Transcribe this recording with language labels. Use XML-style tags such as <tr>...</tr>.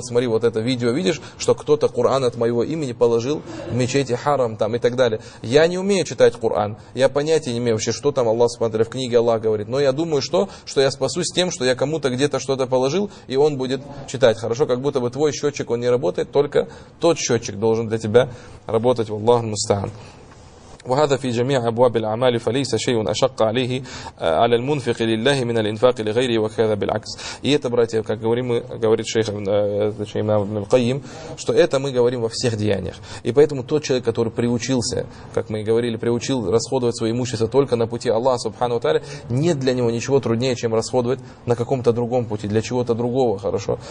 <ru>Вот смотри, вот это видео видишь, что кто-то Коран от моего имени положил в мечети Харам там и так далее. Я не умею читать Коран. Я понятия не имею вообще, что там Аллах смотрит, в книге Аллах говорит. Но я думаю, что я спасусь тем, что я кому-то где-то что-то положил, и он будет читать. Хорошо, как будто бы твой счетчик, он не работает, только тот счетчик должен для тебя работать.</ru> <ar>Аллах мустаан. وهذا في جميع أبواب الأعمال فليس شيء أشق عليه على المنفق لله من الإنفاق لغيره وكذا بالعكس.</ar> <ru>И это, братья, как говорим, говорит шейх, точнее, имам Ибн Аль-Кайим, что это мы говорим во всех деяниях. И поэтому тот человек, который приучился, как мы и говорили, приучил расходовать свое имущество только на пути Аллаха Субхану ва Тааля, нет для него ничего труднее, чем расходовать на каком-то другом пути, для чего-то другого, хорошо.</ru>